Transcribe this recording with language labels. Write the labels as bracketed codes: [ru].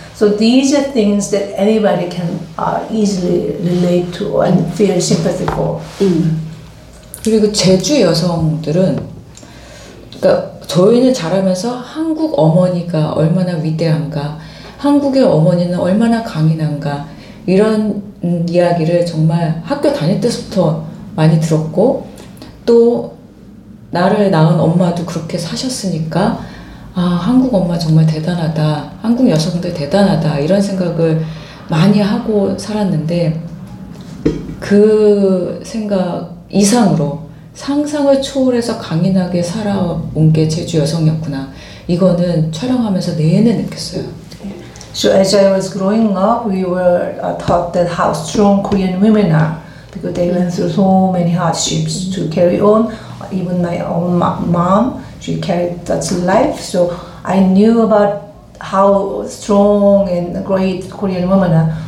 [en] So these are things that anybody can easily relate to and feel sympathy for. [ko] 그리고 제주 여성들은 그러니까 저희는 자라면서 한국 어머니가 얼마나 위대한가, 한국의 어머니는 얼마나 강인한가 이런 이야기를 정말 학교 다닐 때부터 많이 들었고 또 나를 낳은 엄마도 그렇게 사셨으니까 아 한국 엄마 정말 대단하다, 한국 여성들 대단하다 이런 생각을 많이 하고 살았는데 그 생각 이상으로 상상을 초월해서 강인하게 살아온 게 제주 여성이었구나. 이거는 촬영하면서 내내 느꼈어요. [en] So as I was growing up, we were taught that how strong Korean women are because they went through so many hardships to carry on. Even my own mom, she carried such life. So I knew about how strong and great Korean women are.